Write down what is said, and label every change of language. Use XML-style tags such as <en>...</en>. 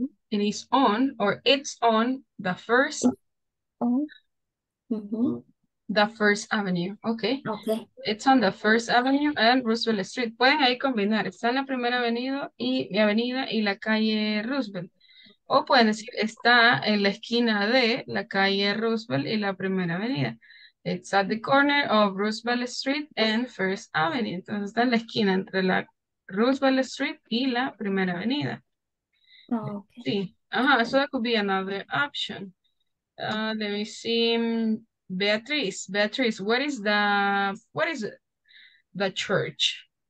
<en>It is on, or it's on the first. The First Avenue, okay. Okay. It's on the First Avenue and Roosevelt Street.</en> <es>Pueden ahí combinar. Está en la primera avenida y mi avenida y la calle Roosevelt. O pueden decir está en la esquina de la calle Roosevelt y la primera avenida.</es> <en>It's at the corner of Roosevelt Street and First Avenue.</en> <es>Entonces está en la esquina entre la Roosevelt Street y la primera avenida. Oh,</es> <en>okay. Sí. Ajá, so that could be another option. Let me see. Beatriz, what is the church?</en>